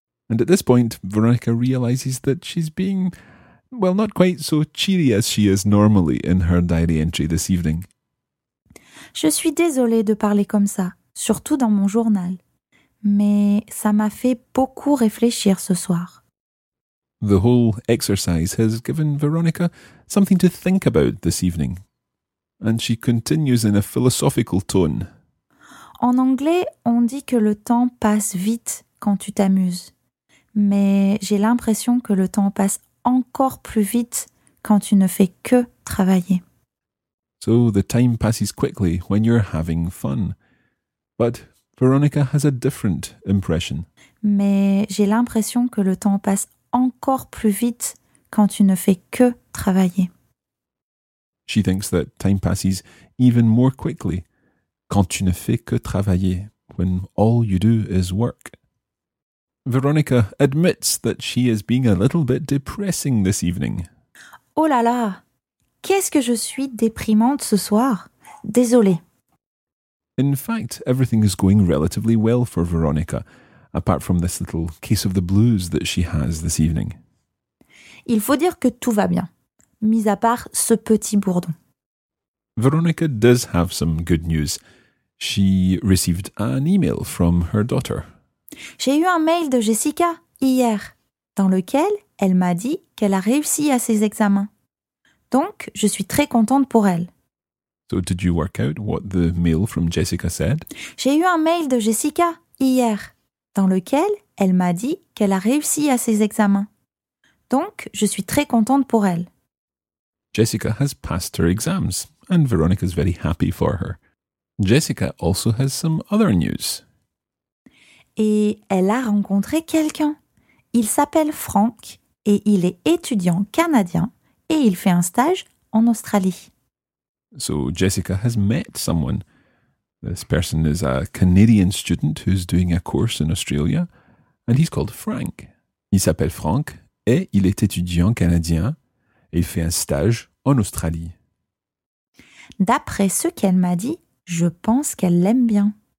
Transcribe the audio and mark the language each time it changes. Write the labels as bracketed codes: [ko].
[en] And at this point, Veronica realizes that she's being, well, not quite so cheery as she is normally in her diary entry this evening. [fr] Je suis désolée de parler comme ça, surtout dans mon journal. Mais ça m'a fait beaucoup réfléchir ce soir. [en] The whole exercise has given Veronica something to think about this evening. And she continues in a philosophical tone. [fr] En anglais, on dit que le temps passe vite quand tu t'amuses. Mais j'ai l'impression que le temps passe encore plus vite quand tu ne fais que travailler. [en] So the time passes quickly when you're having fun. But Veronica has a different impression. [fr] Mais j'ai l'impression que le temps passe encore plus vite quand tu ne fais que travailler. [en] She thinks that time passes even more quickly [fr] quand tu ne fais que travailler, [en] when all you do is work. Veronica admits that she is being a little bit depressing this evening. [fr] Oh là là, qu'est-ce que je suis déprimante ce soir? Désolée. [en] In fact, everything is going relatively well for Veronica, apart from this little case of the blues that she has this evening. [fr] Il faut dire que tout va bien, mis à part ce petit bourdon. [en] Veronica does have some good news. She received an email from her daughter. [fr] J'ai eu un mail de Jessica hier, dans lequel elle m'a dit qu'elle a réussi à ses examens. Donc, je suis très contente pour elle. [en] So did you work out what the mail from Jessica said? [fr] J'ai eu un mail de Jessica hier, dans lequel elle m'a dit qu'elle a réussi à ses examens. Donc, je suis très contente pour elle. [en] Jessica has passed her exams, and Veronica is very happy for her. Jessica also has some other news. [fr] Et elle a rencontré quelqu'un. Il s'appelle Frank, et il est étudiant canadien, et il fait un stage en Australie. [en] So Jessica has met someone. This person is a Canadian student who's doing a course in Australia, and he's called Frank. [fr] Il s'appelle Frank, et il est étudiant canadien, et il fait un stage en Australie. D'après ce qu'elle m'a dit, je pense qu'elle l'aime bien.